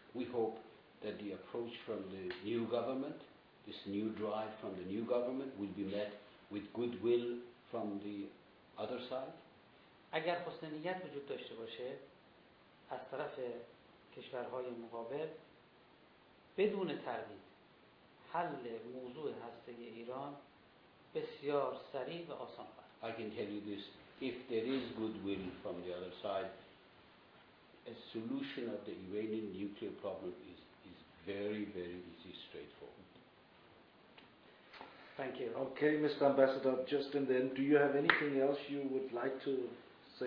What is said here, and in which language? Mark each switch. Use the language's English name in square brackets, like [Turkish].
[English] We hope that the approach from the new government, this new drive from the new government, will be met with goodwill from the other side. [Persian] اگر حسن نیت وجود داشته باشه از طرف کشورهای مقابل، بدون تردید حل موضوع هسته‌ای ایران بسیار سریع و آسان است. [English] I can tell you this, if there is goodwill from the other side, a solution of the Iranian nuclear problem is very, very easy, straightforward. Thank you. Okay, Mr. Ambassador, just in the end, do you have anything else you would like to say?